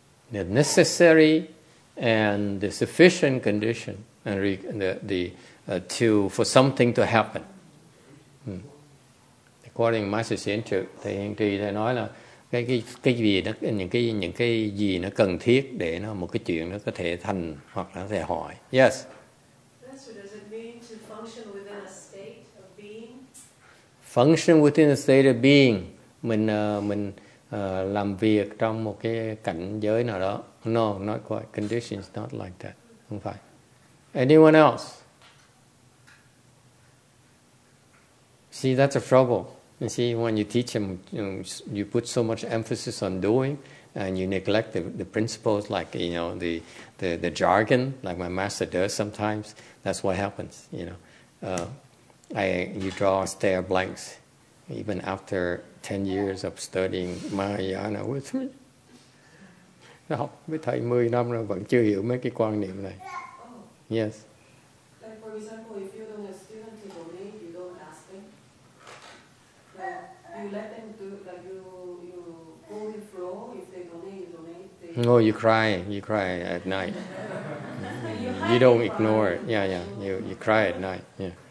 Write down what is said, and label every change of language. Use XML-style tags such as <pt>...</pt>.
<en>The necessary and the sufficient condition and for something to happen. According to Master</en> <vi>Sien Trụ, Thầy Hiền Trì thầy nói là những cái gì nó cần thiết để nó một cái chuyện nó có thể thành hoặc là thể hỏi. Yes.</vi> <en>Master, does it mean to function within a state of being? Function within a state of being.</en> <vi>Làm việc trong một cái cảnh giới nào đó.</vi> <en>No, not quite. Condition is not like that.</en> <vi>Không phải.</vi> <en>Anyone else? See, that's a trouble. You see, when you teach them, you put so much emphasis on doing, and you neglect the principles, like, you know, the jargon, like my master does sometimes. That's what happens, you know. You draw stare blanks, even after 10 years of studying Mahayana with me.</en> <vi>Nó học với thầy 10 năm rồi vẫn chưa hiểu mấy cái quan niệm này.</vi> <en>Oh. Yes. Like for example, if you don't have students to donate, you don't ask them. You let them do, like you go in flow, if they donate. No, you cry at night. you don't ignore it. Yeah. You cry at night, yeah.</en>